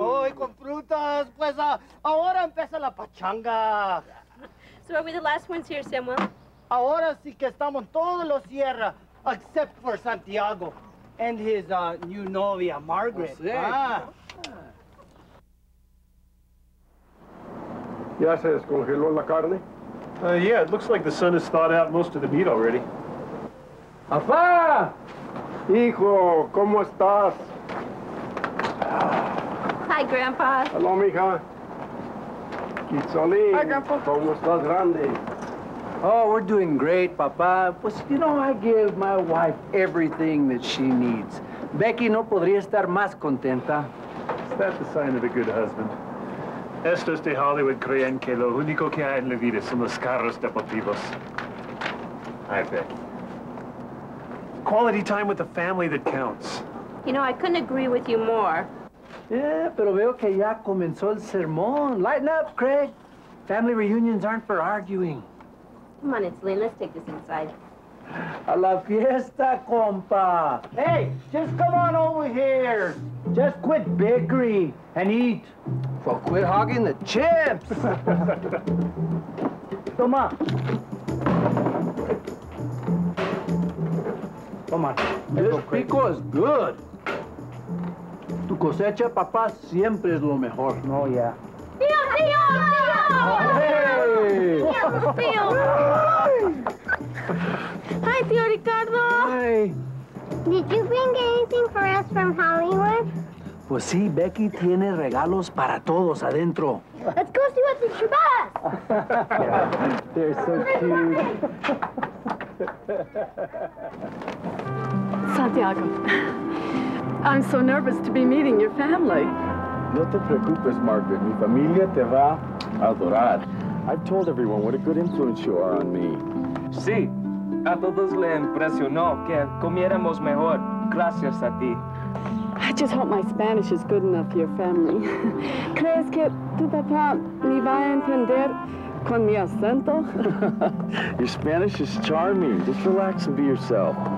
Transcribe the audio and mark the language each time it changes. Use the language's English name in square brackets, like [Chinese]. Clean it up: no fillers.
[Spanish] Hoy con frutas, pues ahora empieza la pachanga. [English] So are we the last ones here, Samuel? [Spanish] Ahora sí que estamos todos los Sierra, [English] except for Santiago and his new [Spanish] novia, Margaret. Oh, sí. Ah. Ya se descongeló la carne. [English] Yeah, it looks like the sun has thawed out most of the meat already. [Spanish] ¡Afá! Hijo, ¿cómo estás? [English] Hi, Grandpa. Hello, mija. Itzolín. Hi, Grandpa. [Spanish] ¿Cómo estás, grande? [English] Oh, we're doing great, Papa. [Spanish] Pues, [English] you know, I give my wife everything that she needs. [Spanish] Becky no podría estar más contenta. [English] Is that the sign of a good husband? [Spanish] Estos de Hollywood creen que lo único que hay en la vida son los carros deportivos. [English] I bet. Quality time with the family that counts. You know, I couldn't agree with you more. Yeah, [Spanish] pero veo que ya comenzó el sermón. [English] Lighten up, Craig. Family reunions aren't for arguing. Come on, Itzelin, let's take this inside. [Spanish] A la fiesta, compa. [English] Hey, just come on over here. Just quit bickering and eat. Well, quit hogging the chips. [Spanish] Toma. Toma. [English] This pico is good. [Spanish] Tu cosecha, papá, siempre es lo mejor. [English] Oh, yeah. [Spanish] Tío, tío, tío. Tío, tío. [English] Hi, [Spanish] tío Ricardo. [English] Hi. Did you bring anything for us from Hollywood? [Spanish] Pues sí, Becky tiene regalos para todos adentro. [English] Let's go see what's in your bag. They're so cute. Santiago, I'm so nervous to be meeting your family. [Spanish] No te preocupes, Margaret. Mi familia te va a adorar. [English] I've told everyone what a good influence you are on me. [Spanish] Sí, a todos le impresionó que comiéramos mejor gracias a ti. [English] I just hope my Spanish is good enough for your family. [Spanish] ¿Crees que tu papá me va a entender con mi acento? [English] Your Spanish is charming. Just relax and be yourself.